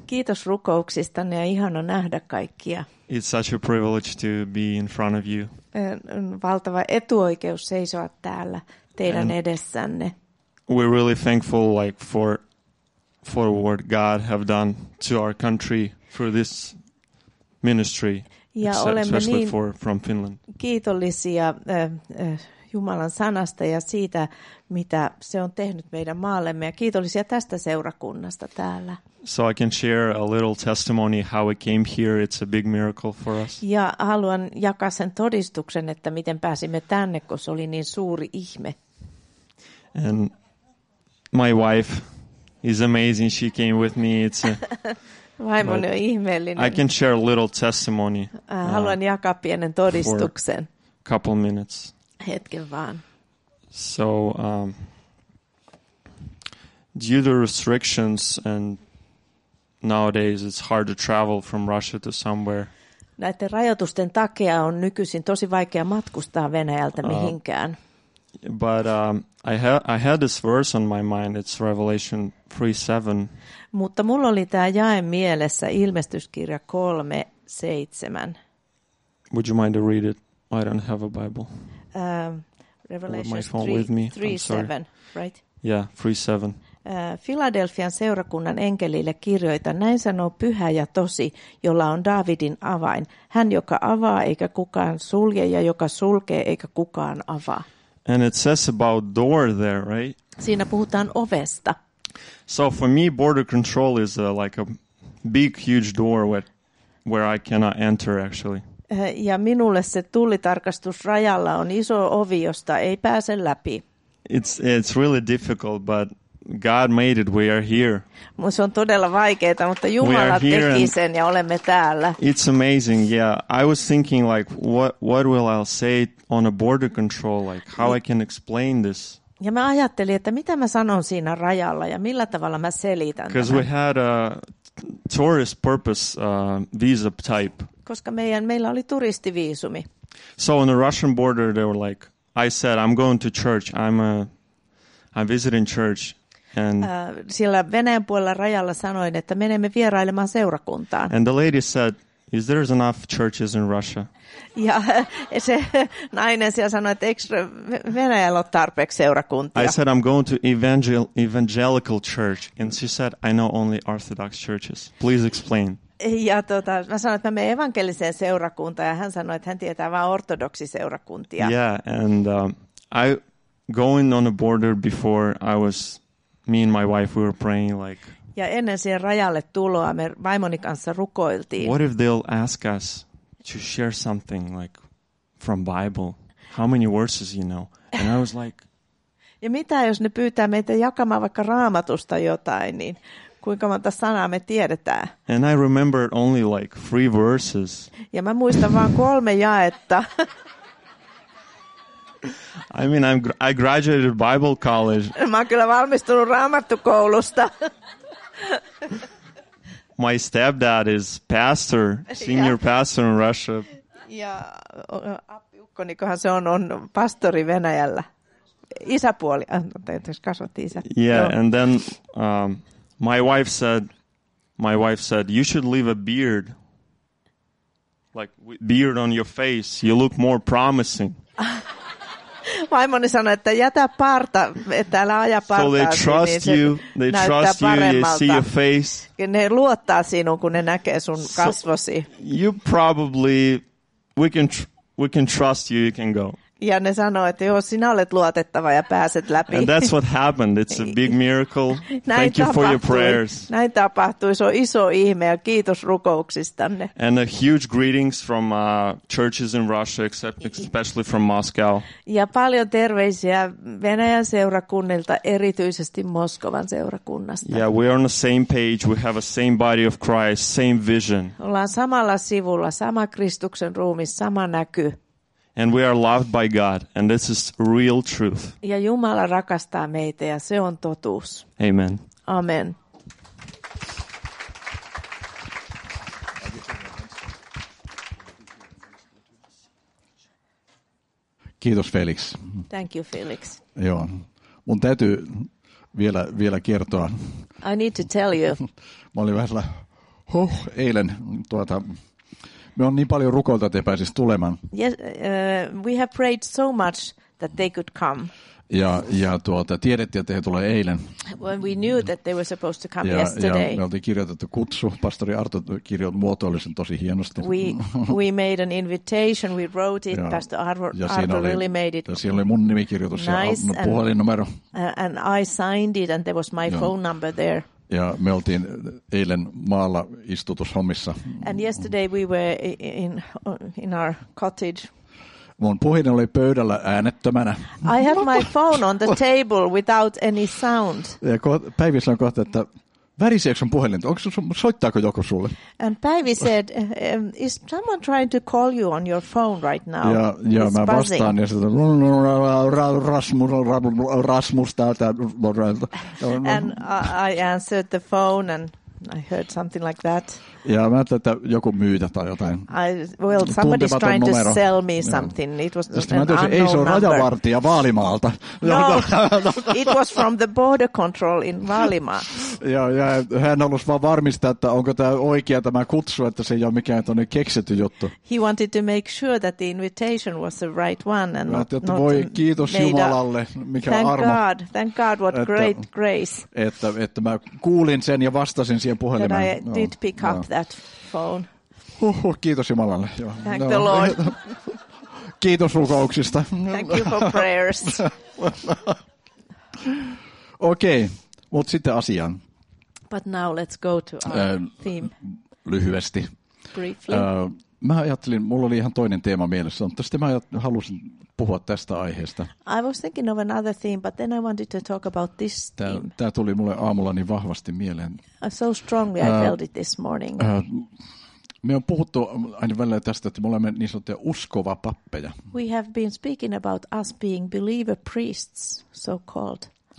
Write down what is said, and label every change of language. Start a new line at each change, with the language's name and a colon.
Finnish: kiitos rukouksistanne ja ihana nähdä kaikkia.
English: It's such a privilege to be in front of you.
Finnish: On valtava etuoikeus seisoa täällä teidän edessänne.
English: We're really thankful like for what God have done to our country through this ministry.
Finnish: Ja olemme niin
English: from Finland.
Finnish: Kiitollisia Jumalan sanasta ja siitä, mitä se on tehnyt meidän maallemme, ja kiitollisia tästä seurakunnasta täällä.
English: So I can share a little testimony how we came here. It's a big miracle for us.
Finnish: Ja haluan jakaa sen todistuksen, että miten pääsimme tänne, koska se oli niin suuri ihme.
English: And my wife is amazing. She came with me. It's a
Finnish: vaimoni on ihmeellinen.
English: I can share a little testimony.
Finnish: Haluan jakaa pienen todistuksen.
English: For a couple minutes.
Finnish: Hetken vaan.
English: So due to restrictions and nowadays it's hard to travel from Russia to somewhere.
Finnish: Näiden rajoitusten takia on nykyisin tosi vaikea matkustaa Venäjältä mihinkään.
English: But I had this verse on my mind. It's Revelation 3:7.
Finnish: Mutta mulla oli tää jae mielessä, Ilmestyskirja 3:7.
English: Would you mind to read it? I don't have a Bible. Revelation 3:7, right? Yeah, 3:7.
Finnish: Filadelfian seurakunnan enkelille kirjoita, näin sanoo pyhä ja tosi, jolla on Daavidin avain. Hän, joka avaa, eikä kukaan sulje, ja joka sulkee, eikä kukaan avaa.
English: And it says about door there, right?
Finnish: Siinä puhutaan ovesta.
English: So for me, border control is like a big, huge door where I cannot enter, actually.
Finnish: Ja minulle se tullitarkastus rajalla on iso ovi, josta ei pääse läpi.
English: It's really difficult, but God made it. We are here.
Finnish: Se on todella vaikeaa, mutta Jumala teki sen ja olemme täällä.
English: It's amazing. Yeah, I was thinking like what will I say on a border control, like how I can explain this.
Finnish: Ja mä ajattelin, että mitä mä sanon siinä rajalla ja millä tavalla mä selitän.
English: Because we had a tourist purpose visa type.
Finnish: Koska meillä oli turistiviisumi.
English: So on the Russian border they were like, I said I'm going to church. I'm visiting church and
Finnish: siellä Venäjän puolella rajalla sanoin, että menemme vierailemaan seurakuntaan.
English: And the lady said, is there enough churches in Russia?
Finnish: Ja se nainen siellä sanoi, että eikö Venäjällä ole tarpeeksi seurakuntia.
English: I said, I'm going to evangelical church. And she said, I know only Orthodox churches. Please explain.
Finnish: Ja mä sanoin, että mä menen evankeliseen seurakuntaan. Ja hän sanoi, että hän tietää vain ortodoksiseurakuntia.
English: Yeah, and I going on a border before I was, me and my wife, we were praying like.
Finnish: Ja ennen siihen rajalle tuloa me vaimoni kanssa rukoiltiin.
English: What if they'll ask us to share something like from Bible? How many verses you know? And I was like,
Finnish: ja mitä jos ne pyytää meitä jakamaan vaikka Raamatusta jotain, niin kuinka monta sanaa me tiedetään?
English: And I remembered only like 3 verses.
Finnish: Ja mä muistan vaan 3 jaetta.
English: I mean I graduated Bible college.
Finnish: Mä oon kyllä valmistunut Raamattukoulusta.
English: My stepdad is pastor, senior pastor in Russia.
Finnish: Ja appiukkoni, kohan se on pastori Venäjällä. Isäpuoli, anteeksi, kasvatti isä.
English: Yeah, and then my wife said you should leave a beard. Like beard on your face, you look more promising.
Finnish: Vaimoni sanoi, että jätä parta, että älä aja partaa.
English: So they trust
Finnish: niin
English: you, they trust you, they see your face.
Finnish: Ne luottaa sinun, kun ne näkee sun kasvosi.
English: You probably, we can trust you, you can go.
Finnish: Ja ne sanoi, että joo, sinä olet luotettava ja pääset läpi.
English: And that's what happened, it's a big miracle. Thank you for your prayers.
Finnish: Näin tapahtui, se on iso ihme ja kiitos rukouksistanne.
English: And a huge greetings from churches in Russia, especially from Moscow.
Finnish: Ja paljon terveisiä Venäjän seurakunnilta, erityisesti Moskovan seurakunnasta.
English: Yeah, we are on the same page, we have a same body of Christ, same vision.
Finnish: Ollaan samalla sivulla, sama Kristuksen ruumi, sama näky.
English: And we are loved by God, and this is real truth.
Finnish: Ja Jumala rakastaa meitä, ja se on totuus.
English: Amen.
Finnish: Amen. Kiitos Felix.
English: Thank you Felix.
Finnish: Joo. Mun täytyy vielä kertoa.
English: I need to tell you.
Finnish: Mä olin vähän eilen me on niin paljon rukoilta, että he pääsisivät tulemaan.
English: Yes, we have prayed so much that they could come.
Finnish: Ja tiedettiin, että he tulevat eilen.
English: When we knew that they were supposed to come yesterday.
Finnish: Ja me oltiin kirjoitettu kutsu. Pastori Arto kirjoitti muotoillisen tosi hienosti.
English: We made an invitation, we wrote it, Pastor Arto really made it.
Finnish: Ja siinä oli mun nimikirjoitus nice, ja puhelinnumero.
English: And I signed it and there was my phone number there.
Finnish: Ja me oltiin eilen maalla istutushommissa.
English: And yesterday we were in our cottage.
Finnish: Mun puhelin oli pöydällä äänettömänä.
English: I had my phone on the table without any sound.
Finnish: Ja Päivi sanoi kohta, että väriseekö sun puhelin? Soittaako joku sulle?
English: And Päivi said, is someone trying to call you on your phone right now?
Finnish: Ja mä vastaan ja sanoin, Rasmus täältä.
English: And I answered the phone and I heard something like that.
Finnish: Ja mä ajattelin, että joku myytä tai jotain.
English: Somebody is trying to sell me something. It was an unknown number.
Finnish: Ei, se on rajavartija Vaalimaalta.
English: No, it was from the border control in Vaalimaa.
Finnish: Ja hän halusi vaan varmistaa, että onko tämä oikea tämä kutsu, että se ei ole mikään tuonne keksitty juttu.
English: He wanted to make sure that the invitation was the right one. And not,
Finnish: että voi kiitos Jumalalle, mikä
English: thank
Finnish: armo.
English: God. Thank God, what great grace.
Finnish: Että mä kuulin sen ja vastasin siihen puhelimeen.
English: That I did pick up that phone.
Finnish: Kiitos Jumalalle.
English: Thank the Lord.
Finnish: Kiitos rukouksista.
English: Thank you for prayers.
Finnish: Okei. Mutta sitten asiaan.
English: But now let's go to our theme.
Finnish: Lyhyesti.
English: Briefly.
Finnish: Mä ajattelin, mulla oli ihan toinen teema mielessä, mutta sitten mä halusin puhua tästä aiheesta.
English: I was thinking of another theme, but then I wanted to talk about this theme.
Finnish: Tää tuli mulle aamulla niin vahvasti mieleen.
English: So strongly I felt it this morning.
Finnish: Me on puhuttu aina välillä tästä, että me olemme niin sanottuja uskova pappeja.
English: We have been speaking about us being believer priests, so called.